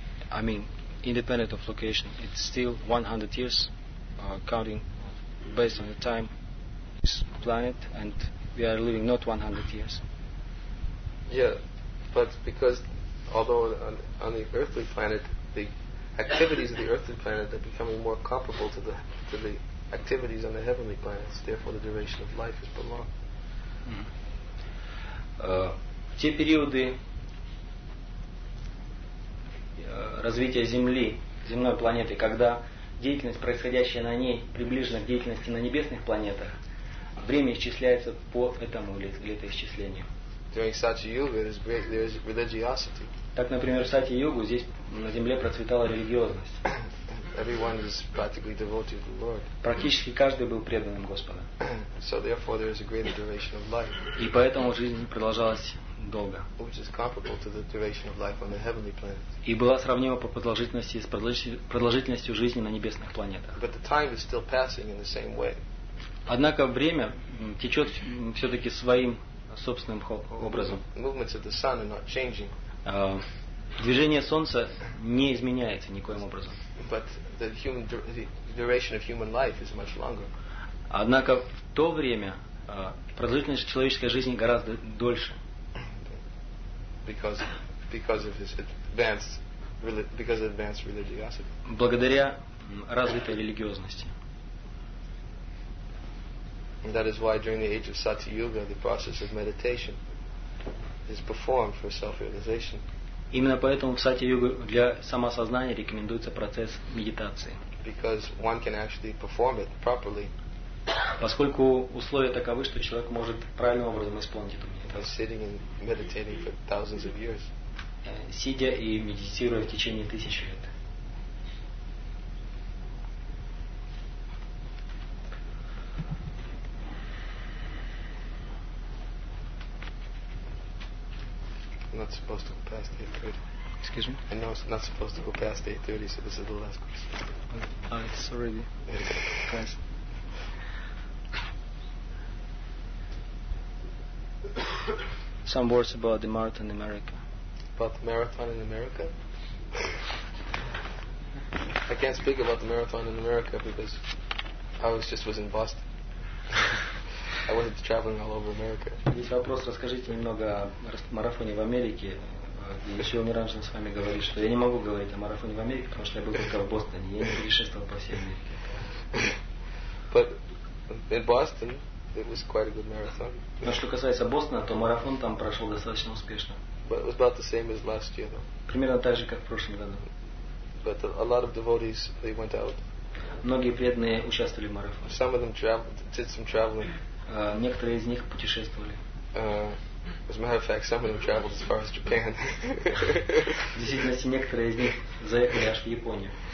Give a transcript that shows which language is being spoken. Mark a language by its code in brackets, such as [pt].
[en] I mean, independent of location, it's still 100 years counting based on the time of this planet, and we are living not 100 years. Yeah, but because although on the earthly planet, the activities of the earthly planet are becoming more comparable to the activities on the heavenly planets, therefore the duration of life is prolonged. [ru] Те периоды развития Земли, земной планеты, когда деятельность, происходящая на ней, приближена к деятельности на небесных планетах, время исчисляется по этому или это исчислению. [en] During Satya-yuga, there is religiosity. [ru] Так, например, в Сати-йогу здесь на Земле процветала религиозность. [en] Everyone is practically devoted to the Lord. [ru] Практически каждый был преданным Господу. [en] So therefore, there is a greater duration of life. [ru] И поэтому жизнь продолжалась долго. [en] Which is comparable to the duration of life on the heavenly planets. [ru] И была сравнима по продолжительности с продолжительностью жизни на небесных планетах. [en] But the time is still passing in the same way. [ru] Однако время течет все-таки своим собственным образом. [en] Movements of the sun are not changing. [ru] Движение солнца не изменяется никоим образом. [en] But the human, the duration of human life is much longer. [ru] Однако в то время продолжительность человеческой жизни гораздо дольше. [en] Because of advanced religiosity. [ru] Благодаря развитой религиозности. [en] And that is why during the age of Satya Yuga the process of meditation is performed for self-realization. [ru] Именно поэтому в Сати Йогу для самосознания рекомендуется процесс медитации. [en] Because one can actually perform it properly. [ru] Поскольку условия таковы, что человек может правильным образом исполнить эту медитацию. [en] Sitting and meditating for thousands of years. [ru] Сидя и медитируя в течение тысячи лет. [en] Not supposed to go past 8:30. Excuse me? I know it's not supposed to go past 8:30, so this is the last question. It's already past. Some words about the marathon in America. About the marathon in America? I can't speak about the marathon in America because I was in Boston. I wanted to travel all over America. [ru] Есть вопрос, расскажите немного о марафоне в Америке. Еще Умиранжан с вами говорит, что я не могу говорить о марафоне в Америке, потому что я был только в Бостоне, я не путешествовал по всей Америке. [en] But in Boston, it was quite a good marathon. [ru] Но что касается Бостона, то марафон там прошел достаточно успешно. [en] But it was about the same as last year, though. [ru] Примерно так же, как в прошлом году. [en] But a lot of devotees, they went out. [ru] Многие преданные участвовали в марафоне. [en] Some of them traveled, did some traveling. [ru] Некоторые из них путешествовали. [en] As a matter of fact, some of them traveled as far as Japan. [ru] В действительности, некоторые из них заехали аж в Японию.